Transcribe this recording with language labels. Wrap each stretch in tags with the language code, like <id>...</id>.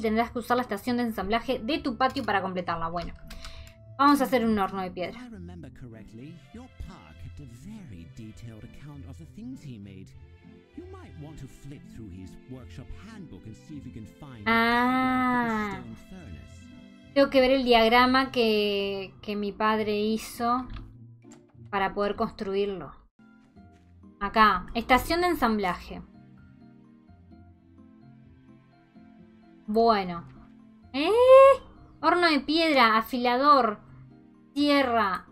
<es>Tendrás que usar la estación de ensamblaje de tu patio para completarla. Bueno, vamos a hacer un horno de</es> <en>If I remember correctly, your park kept a very detailed account of the things he made. You might want to flip through his workshop handbook and see if you can find the Ah. stone furnace.</en> <es>Tengo que ver el diagrama que mi padre hizo para poder construirlo. Acá, estación de ensamblaje. Bueno. ¿Eh? Horno de piedra, afilador, sierra.</es>